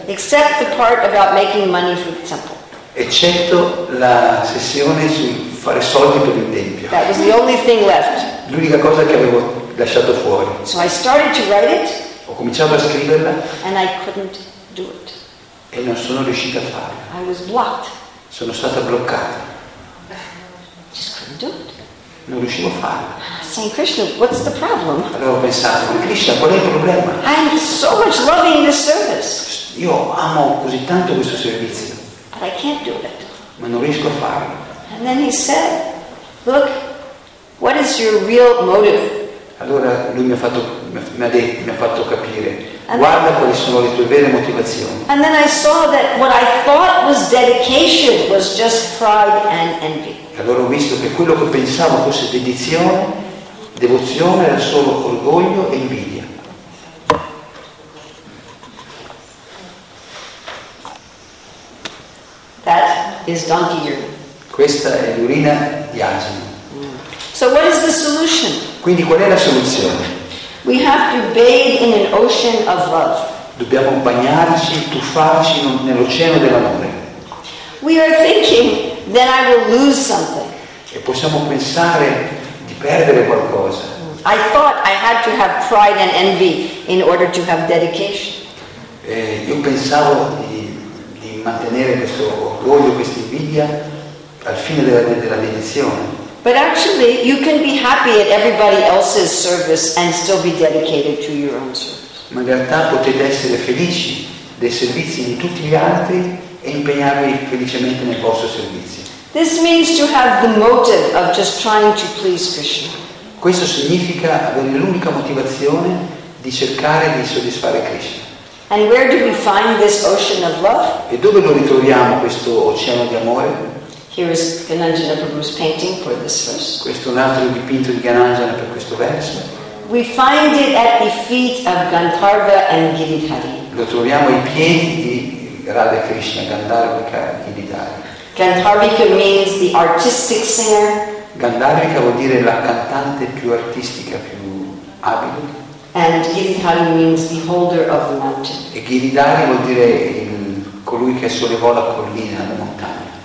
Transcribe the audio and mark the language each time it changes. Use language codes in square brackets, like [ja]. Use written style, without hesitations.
[en] Except the part about making money for the temple. [it] Eccetto la sessione su fare soldi per il tempio. [en] That was the only thing left. [it] L'unica cosa che avevo lasciato fuori. [en] So I started to write it. [it] Ho cominciato a scriverla. [en] And I couldn't do it. [it] E non sono riuscita a farlo. [en] I was blocked. [it] Sono stata bloccata. [en] Just couldn't do it. [it] Non riuscivo a farlo. [en] Saint Krishna, what's the problem? [it] Avevo pensato, Krishna, qual è il problema? [en] I'm so much loving this service. [it] Io amo così tanto questo servizio. [en] But I can't do it. [it] Ma non riesco a farlo. [en] And then he said, "Look, what is your real motive?" [it] Allora lui mi ha fatto capire. [en] And [it] guarda [en] then, [it] quali sono le tue vere motivazioni. [en] And then I saw that what I thought was dedication was just pride and envy. [it] E allora ho visto che quello che pensavo fosse dedizione. Devozione era solo orgoglio e invidia. [en] That is donkey urine. [it] Questa è l'urina di asino. [en] So what is the solution? [it] Quindi qual è la soluzione? [en] We have to bathe in an ocean of love. [it] Dobbiamo bagnarci, tuffarci nell'oceano dell'amore. [en] We are thinking that I will lose something. [it] E possiamo pensare perdere qualcosa. [en] I thought I had to have pride and envy in order to have dedication. [it] Io pensavo di mantenere questo orgoglio, questa invidia al fine della dedizione. [en] But actually, you can be happy at everybody else's service and still be dedicated to your own service. [it] Ma in realtà potete essere felici dei servizi di tutti gli altri e impegnarvi felicemente nel vostro servizio. [en] This means to have the motive of just trying to please Krishna. [it] Questo significa avere l'unica motivazione di cercare di soddisfare Krishna. [en] And where do we find this ocean of love? [it] E dove lo ritroviamo questo oceano di amore? [en] Here is Gananjana Prabhu's painting for this verse. [it] Questo è un altro dipinto di Gananjana per questo verso. [en] We find it at the feet of Gandharva and Giridhari. [it] Lo troviamo ai piedi di Radha Krishna, Gandharvika e Giridhari. [en] Gandharvika means the artistic singer. [it] Gandharvika vuol dire la cantante più artistica, più abile. [en] And Giridhari means the holder of the mountain. [it] E Giridhari vuol dire colui che sollevò la collina, la montagna.